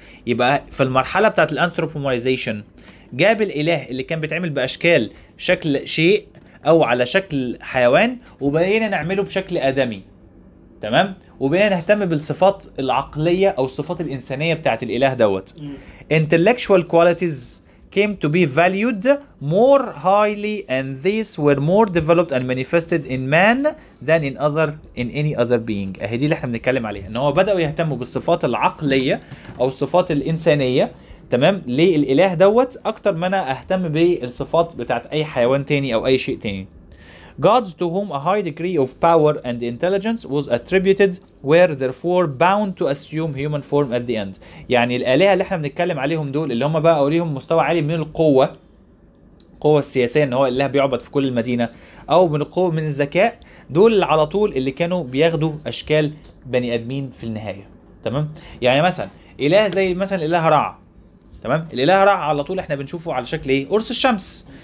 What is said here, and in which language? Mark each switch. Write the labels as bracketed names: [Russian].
[Arabic] يبقى في المرحله بتاعت الانثروبومورايزيشن جاب الاله اللي كان بيتعمل باشكال شكل شيء او على شكل حيوان، وبقينا نعمله بشكل ادمي. تمام؟ وبقينا نهتم بالصفات العقليه او الصفات الانسانيه بتاعت الاله دوت. [English] intellectual qualities came to be valued more highly and these were more developed and manifested in man than in other in any other being. [Arabic] اهي دي اللي احنا بنتكلم عليها، ان هو بداوا يهتموا بالصفات العقليه او الصفات الانسانيه تمام للاله دوت اكتر ما انا اهتم بالصفات بتاعت اي حيوان تاني او اي شيء تاني. [English] Gods to whom a high degree of power and intelligence was attributed were therefore bound to assume human form at the end. [Arabic] يعني الآلهة اللي احنا بنتكلم عليهم دول اللي هم بقى ليهم مستوى عالي من القوة، قوة السياسية ان هو الإله بيعبد في كل المدينة، او من القوة من الذكاء، دول على طول اللي كانوا بياخدوا اشكال بني ادمين في النهاية. تمام؟ يعني مثلا إله زي مثلا إله رع. تمام؟ الإله رع على طول احنا بنشوفه على شكل ايه؟ قرص الشمس.